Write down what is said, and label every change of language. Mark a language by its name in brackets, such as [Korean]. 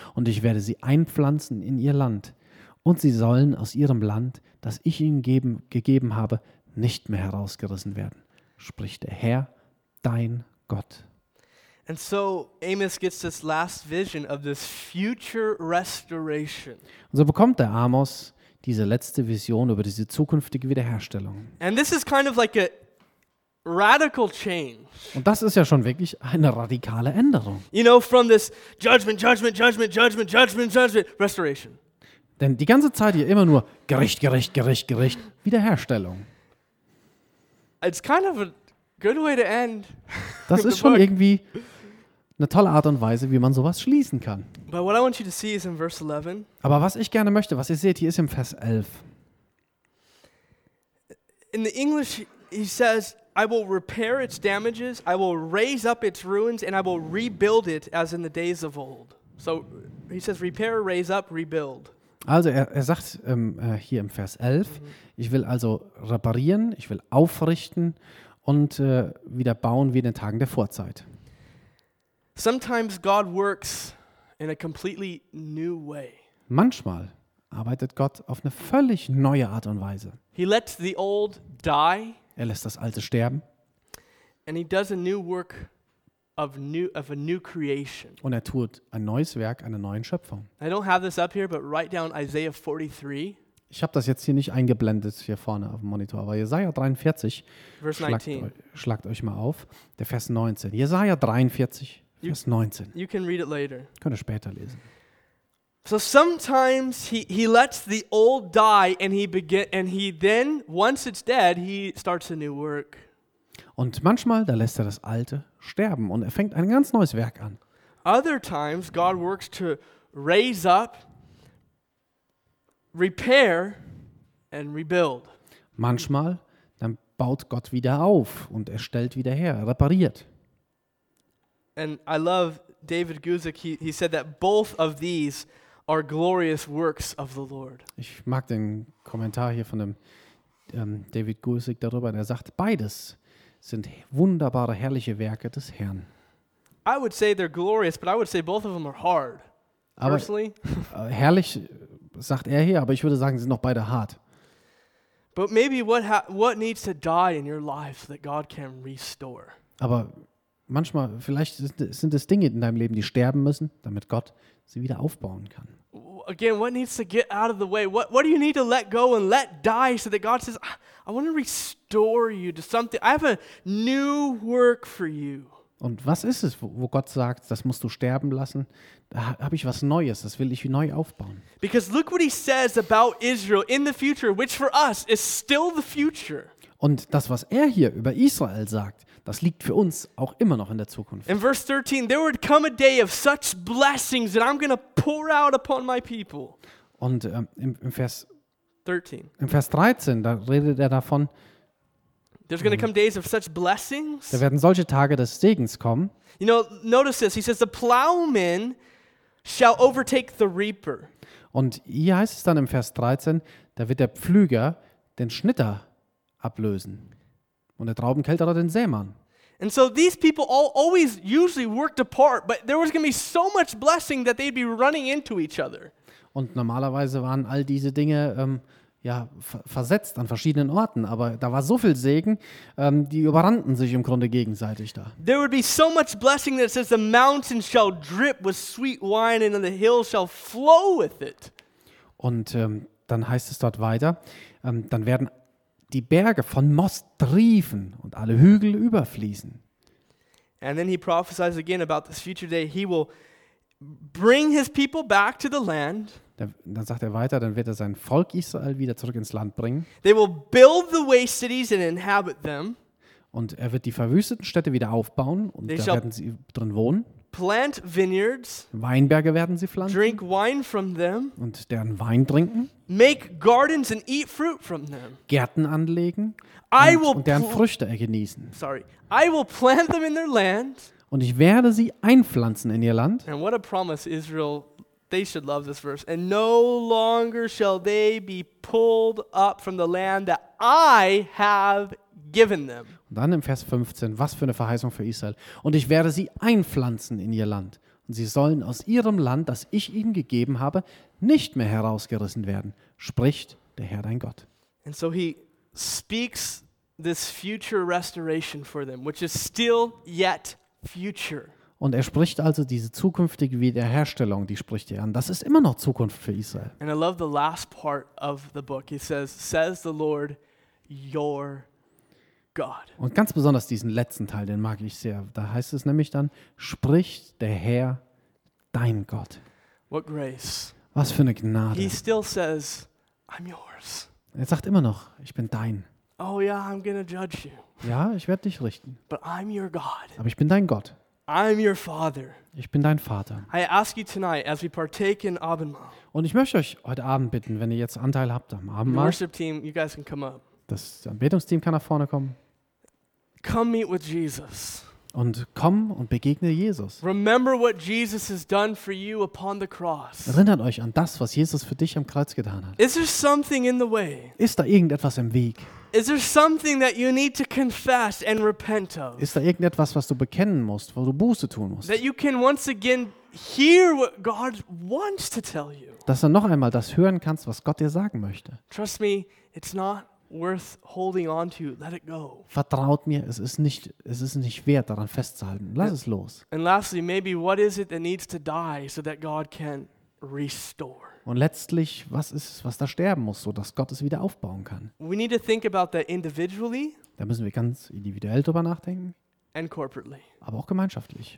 [German] Und ich werde sie einpflanzen in ihr Land. Und sie sollen aus ihrem Land, das ich ihnen gegeben habe, nicht mehr herausgerissen werden, spricht der Herr, dein Gott. [English] And so Amos gets this last vision of this future restoration. [German] Und so bekommt der Amos diese letzte Vision über diese zukünftige Wiederherstellung. [English] And this is kind of like a radical change. [German] Und das ist ja schon wirklich eine radikale Änderung. [English] You know, from this judgment, judgment, judgment, judgment, judgment, judgment, restoration. [German] Denn die ganze Zeit hier immer nur Gericht, Gericht, Gericht, Gericht, Wiederherstellung. [English] It's kind of a good way to end. [German] Das ist schon irgendwie eine tolle Art und Weise, wie man sowas schließen kann. [English] But what I want you to see is in verse 11. [German] Aber was ich gerne möchte, was ihr seht, hier ist im Vers 11. [English] In the English, he says, I will repair its damages, I will raise up its ruins, and I will rebuild it as in the days of old. So he says, repair, raise up, rebuild. [German] Also er sagt hier im Vers 11, mm-hmm. Ich will also reparieren, ich will aufrichten und wieder bauen wie in den Tagen der Vorzeit. [English] Sometimes God works in a completely new way. [German] Manchmal arbeitet Gott auf eine völlig neue Art und Weise. [English] He lets the old die. [German] Er lässt das Alte sterben. [English] And he does a new work of a new creation. [German] Und er tut ein neues Werk, eine neue Schöpfung. [English] I don't have this up here, but write down Isaiah 43. [German] Ich habe das jetzt hier nicht eingeblendet hier vorne auf dem Monitor, aber Jesaja 43, [English] Verse 19. [German] Schlagt euch mal auf, der Vers 19. Jesaja 43, Vers 19. [English] You can read it later. [German] Könnt ihr später lesen. [English] So sometimes he lets the old die and he then once it's dead he starts a new work. [German] Und manchmal da lässt er das alte sterben und er fängt ein ganz neues Werk an. [English] Other times God works to raise up, repair and rebuild. [German] Manchmal dann baut Gott wieder auf und er stellt wieder her, repariert. [English] And I love David Guzik, he said that both of these are glorious works of the Lord. [German] Ich mag den Kommentar hier von dem David Guzik darüber, der sagt, beides sind wunderbare, herrliche Werke des Herrn. [English] I would say they're glorious, but I would say both of them are hard. Personally. [German] Aber, herrlich sagt er hier, aber ich würde sagen, sie sind noch beide hart. [English] But maybe what needs to die in your life that God can restore. [German] Aber manchmal vielleicht sind es Dinge in deinem Leben, die sterben müssen, damit Gott sie wieder aufbauen kann. [English] again, what needs to get out of the way? What do you need to let go and let die so that God says, I want to restore you to something. I have a new work for you. [German] Und was ist es, wo Gott sagt, das musst du sterben lassen? Da habe ich was Neues, das will ich neu aufbauen. [English] Because look what he says about Israel in the future, which for us is still the future. [German] Und das, was er hier über Israel sagt, das liegt für uns auch immer noch in der Zukunft. [English] In verse 13, there would come a day of such blessings that I'm going to pour out upon my people. [German] Und im Vers 13, da redet er davon, [English] there's going to come days of such blessings. [German] Da werden solche Tage des Segens kommen. [English] You know, notice this. He says, the plowman shall overtake the reaper. [German] Und hier heißt es dann im Vers 13, da wird der Pflüger den Schnitter ablösen und der Traubenkelterer den Sämann. [English] And so these people all always usually worked apart, but there was going to be so much blessing that they'd be running into each other. [German] Und normalerweise waren all diese Dinge versetzt an verschiedenen Orten, aber da war so viel Segen, die überrannten sich im Grunde gegenseitig da. [English] There would be so much blessing that says the mountains shall drip with sweet wine and the hills shall flow with it. [German] Und dann heißt es dort weiter, dann werden die Berge von Most triefen und alle Hügel überfließen. [English] And then he prophesies again about this future day. He will bring his people back to the land. [German] Dann sagt er weiter, dann wird er sein Volk Israel wieder zurück ins Land bringen. [English] They will build the waste cities and inhabit them. [German] Und er wird die verwüsteten Städte wieder aufbauen und da werden sie drin wohnen. [English] Plant vineyards. [German] Weinberge werden sie pflanzen. [English] Drink wine from them. [German] Und deren Wein trinken. [English] Make gardens and eat fruit from them. [German] Gärten anlegen und deren Früchte genießen. [English] Sorry. I will plant them in their land. [German] Und ich werde sie einpflanzen in ihr Land. [English] And what a promise Israel. They should love this verse. And no longer shall they be pulled up from the land that I have given them. [German] Dann im Vers 15, was für eine Verheißung für Israel. Und ich werde sie einpflanzen in ihr Land. Und sie sollen aus ihrem Land, das ich ihnen gegeben habe, nicht mehr herausgerissen werden, spricht der Herr dein Gott. [English] And so he speaks this future restoration for them, which is still yet future. [German] Und er spricht also diese zukünftige Wiederherstellung, die spricht er an. Das ist immer noch Zukunft für Israel. [English] And I love the last part of the book. He says, says the Lord, your God. [German] Und ganz besonders diesen letzten Teil, den mag ich sehr. Da heißt es nämlich dann, spricht der Herr, dein Gott. [English] What grace. [German] Was für eine Gnade. [English] He still says, I'm yours. [German] Er sagt immer noch, ich bin dein. [English] Oh yeah, I'm gonna judge you. [German] Ja, ich werde dich richten. [English] But I'm your God. [German] Aber ich bin dein Gott. [English] I'm your father. [German] Ich bin dein Vater. [English] I ask you tonight as we partake in Abendmahl. [German] Und ich möchte euch heute Abend bitten, wenn ihr jetzt Anteil habt am Abendmahl. [English] The worship team, you guys can come up. [German] Das Anbetungsteam kann nach vorne kommen. [English] Come meet with Jesus. [German] Und komm und begegne Jesus. [English] Remember what Jesus has done for you upon the cross. [German] Erinnert euch an das, was Jesus für dich am Kreuz getan hat. [English] Is there something in the way? [German] Ist da irgendetwas im Weg? [English] Is there something that you need to confess and repent of? [German] Ist da irgendetwas, was du bekennen musst, wo du Buße tun musst? [English] That you can once again hear what God wants to tell you. [German] Dass du noch einmal das hören kannst, was Gott dir sagen möchte. [English] Trust me, it's not worth holding on to. Let it go. [German] Vertraut mir, es ist nicht wert, daran festzuhalten. Lass es los. [English] And lastly, maybe what is it that needs to die so that God can restore? [German] Und letztlich, was ist es, was da sterben muss, so dass Gott es wieder aufbauen kann? [English] We need to think about that individually. [German] Da müssen wir ganz individuell drüber nachdenken. [English] And corporately. [German] Aber auch gemeinschaftlich.